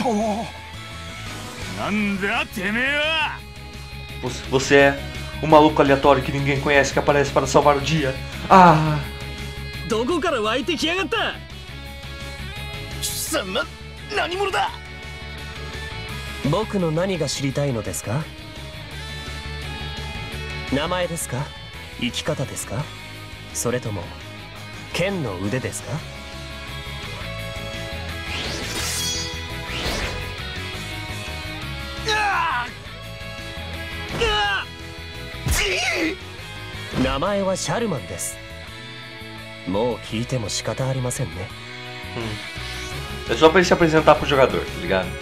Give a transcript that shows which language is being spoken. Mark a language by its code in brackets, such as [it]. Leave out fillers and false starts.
[ja] あなたは何だてめえは? [pt] Você é um maluco aleatório que ninguém conhece que aparece para salvar o dia. Ah! [ja] どこから湧いてきやがった? さま、何者だ? 僕の何が知りたいのですか? 名前ですか?生き方ですか?それとも剣の腕ですか? うわ。名前はシャルマンです。もう聞いても仕方ありませんね。 [pt] É só para ele se apresentar pro jogador, tá ligado?